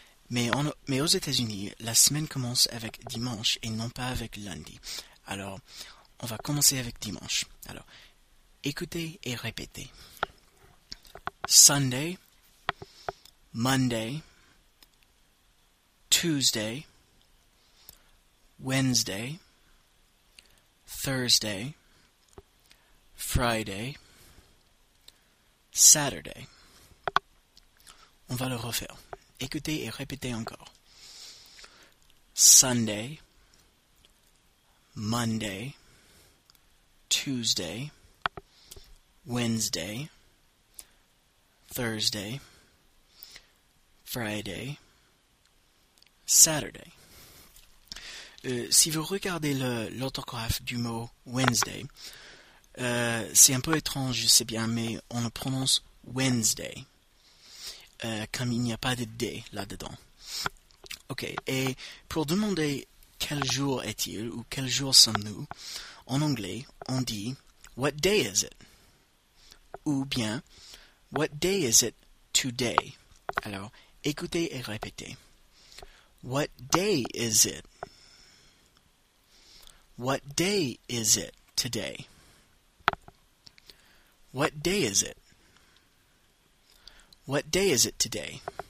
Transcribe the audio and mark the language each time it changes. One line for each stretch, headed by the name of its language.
French: Mais aux États-Unis, la semaine commence avec dimanche et non pas avec lundi. Alors, on va commencer avec dimanche. Alors, écoutez et répétez.
English: Sunday, Monday, Tuesday, Wednesday, Thursday, Friday, Saturday.
French: On va le refaire. Écoutez et répétez encore.
English: Sunday, Monday, Tuesday, Wednesday, Thursday, Friday, Saturday.
French: Si vous regardez l'orthographe du mot Wednesday, c'est un peu étrange, je sais bien, mais on le prononce Wednesday. Comme il n'y a pas de D là-dedans. Ok, et pour demander quel jour est-il ou quel jour sommes-nous, en anglais, on dit
English: What day is it?
French: Ou bien
English: What day is it today?
French: Alors, écoutez et répétez.
English: What day is it? What day is it today? What day is it? What day is it today?